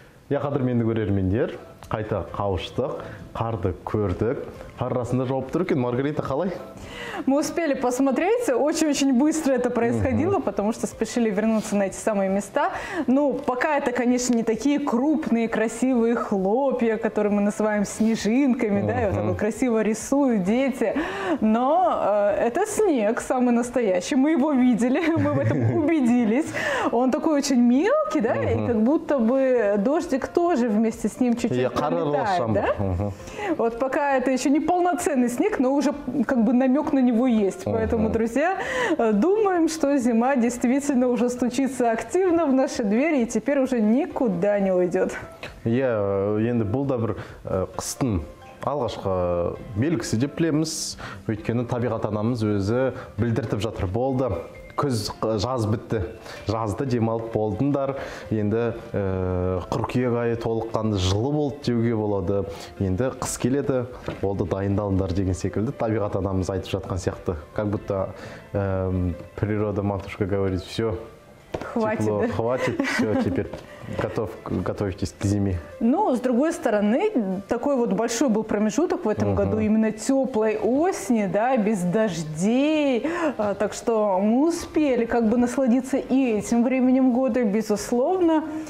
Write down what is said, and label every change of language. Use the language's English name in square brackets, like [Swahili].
[Kazakh] Я қадірменді көрермендер, қайта қауыштық, қарды көрдік. Қар арасында жауап тұр екен, Маргарита қалай? [Russian] Мы успели посмотреть, очень-очень быстро это происходило, потому что спешили вернуться на эти самые места. Но пока это, конечно, не такие крупные, красивые хлопья, которые мы называем снежинками, да, и вот так вот красиво рисуют дети. Но это снег самый настоящий, мы его видели, мы в этом убедились. Он такой очень мелкий, да, и как будто бы дождик тоже вместе с ним чуть-чуть пролетает, да. Вот пока это еще не полноценный снег, но уже как бы намек на него есть. Поэтому, друзья, думаем, что зима действительно уже стучится активно в наши двери и теперь уже никуда не уйдет. [Kazakh] Я енді бұл да бір қыстын алғашқы белгісі деп білеміз. Өйткені табиғат анамыз өзі білдіртіп жатыр. Болды. Күз жаз бітті. Жазды демалып болдыңдар. Енді қыркүйек айы толыққанды жылы болды деуге болады. Енді қыс келеді. Болды дайындалыңдар деген секілді. Табиғат анамыз айтып жатқан сияқты. [Russian] Как будто природа матушка говорит: «Все, хватит, тепло, да? Хватит, все, теперь готовьтесь к зиме». Ну, с другой стороны, такой вот большой был промежуток в этом году, именно теплой осени, да, без дождей, так что мы успели как бы насладиться и этим временем года, безусловно,